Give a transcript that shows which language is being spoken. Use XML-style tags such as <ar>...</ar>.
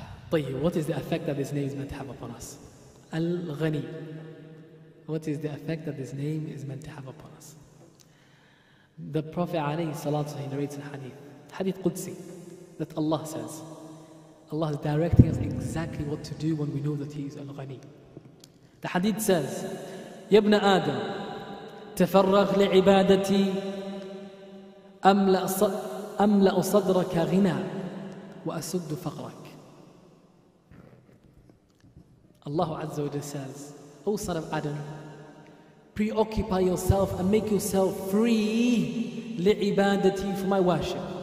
<en>What is the effect that this name is meant to have upon us? Al-Ghani. What is the effect that this name is meant to have upon us? The Prophet alayhi salatu narrates in hadith, hadith Qudsi, that Allah says, Allah is directing us exactly what to do when we know that He is Al-Ghani. The hadith says,</en> <ar>يا ابن آدم تفرغ لعبادتي أملأ صدرك غنى وأسد فقرك. الله عز وجل</ar> <en>says, O son of Adam, preoccupy yourself and make yourself free</en> <ar>لعبادتي</ar> <en>for my worship.</en>